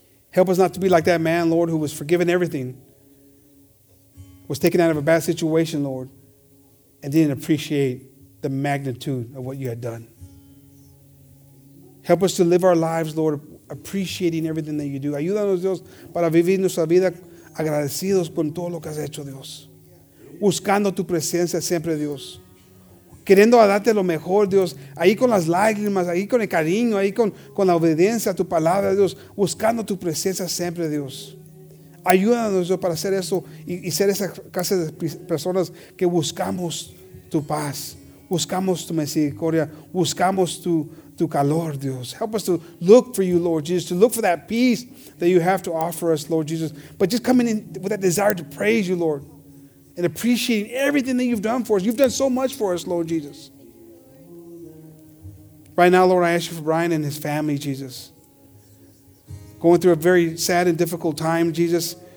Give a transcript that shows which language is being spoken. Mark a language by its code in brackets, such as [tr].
[en] Help us not to be like that man, Lord, who was forgiven everything, was taken out of a bad situation, Lord, and didn't appreciate the magnitude of what you had done. Help us to live our lives, Lord, appreciating everything that you do. [es] Ayúdanos, Dios, para vivir nuestra vida agradecidos con todo lo que has hecho, Dios. Buscando tu presencia siempre, Dios. Queriendo darte lo mejor, Dios, ahí con las lágrimas, ahí con el cariño, ahí con la obediencia a tu palabra, Dios, buscando tu presencia siempre, Dios. Ayúdanos, Dios, para hacer eso y ser esa clase de personas que buscamos tu paz, buscamos tu misericordia, buscamos tu calor, Dios. [en] Help us to look for you, Lord Jesus, to look for that peace that you have to offer us, Lord Jesus. But just coming in with that desire to praise you, Lord. And appreciating everything that you've done for us. You've done so much for us, Lord Jesus. Right now, Lord, I ask you for Brian and his family, Jesus. Going through a very sad and difficult time, Jesus.